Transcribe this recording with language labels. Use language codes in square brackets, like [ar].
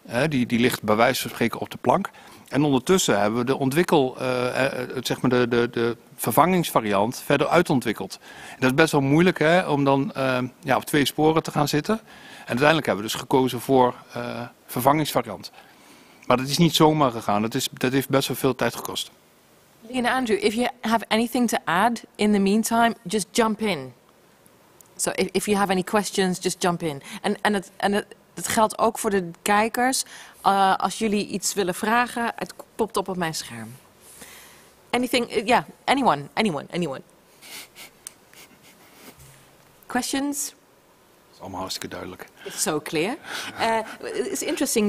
[nl] Die ligt bij wijze van spreken op de plank. En ondertussen hebben we de de vervangingsvariant verder uitontwikkeld. En dat is best wel moeilijk, hè, om dan op twee sporen te gaan zitten. En uiteindelijk hebben we dus gekozen voor vervangingsvariant. Maar dat is niet zomaar gegaan. Dat heeft best wel veel tijd gekost. [en] Lee en Andrew, if you have anything to add in the meantime, just jump in. So if you have any questions, just jump in. [nl] Dat geldt ook voor de kijkers. Als jullie iets willen vragen, het popt op mijn scherm. [en] Anyone. Questions? [nl] Dat is allemaal hartstikke duidelijk. [en] It's so clear. It's interesting.